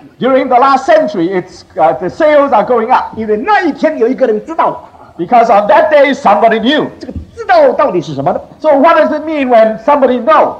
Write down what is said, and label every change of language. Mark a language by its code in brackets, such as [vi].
[en] During the last century, the sales are going up. [zh] 因为那一天有一个人知道了 [en] Because on that day, somebody knew. [zh] 这个知道到底是什么呢 [en] So what does it mean when somebody know?